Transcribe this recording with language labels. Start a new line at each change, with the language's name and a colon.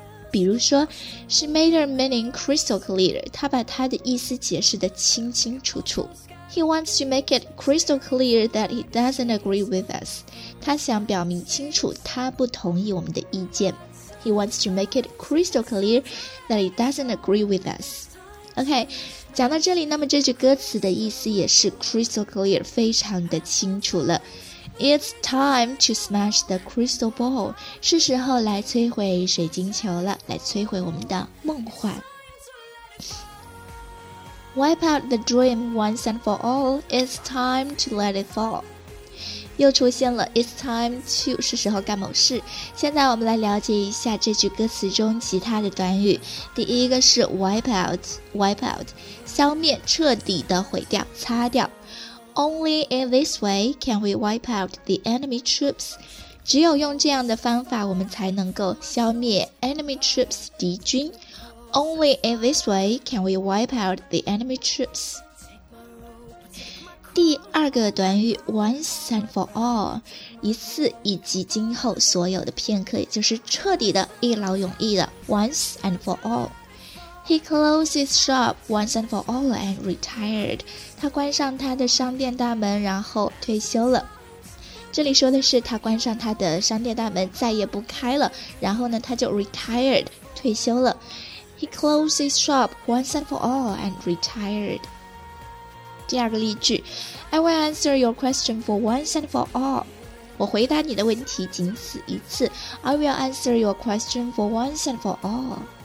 Chinese: 比如说
English: She made her meaning crystal clear
Chinese: 她把她的意思解释得清清楚楚
English: He wants to make it crystal clear that he doesn't agree with us
Chinese: 她想表明清楚她不同意我们的意见
English: He wants to make it crystal clear that he doesn't agree with us OK
Chinese: 讲到这里那么这句歌词的意思也是
English: crystal clear
Chinese: 非常的清楚了
English: It's time to smash the crystal ball.
Chinese: 是时候来摧毁水晶球了，来摧毁我们的梦幻。
English: Wipe out the dream once and for all. It's time to let it fall.
Chinese: 又出现了
English: It's time to 是时候干某事。
Chinese: 现在我们来了解一下这句歌词中其他的短语。第一个是 wipe out, 消灭，彻底的毁掉，擦掉。
English: Only in this way can we wipe out the enemy troops.
Chinese: 只有用这样的方法我们才能够消灭 enemy troops 敌军。
English: Only in this way can we wipe out the enemy troops.
Chinese: 第二个短语 once and for all， 一次以及今后所有的片刻，也就是彻底的一劳永逸的 once and for all。
English: He closed his shop once and for all and retired.
Chinese: 他关上他的商店大门，然后退休了。这里说的是他关上他的商店大门，再也不开了。然后呢，他就 retired， 退休了。
English: He closed his shop once and for all and retired.
Chinese: 第二个例句
English: ，I will answer your question for once and for all.
Chinese: 我回答你的问题仅此一次。
English: I will answer your question for once and for all.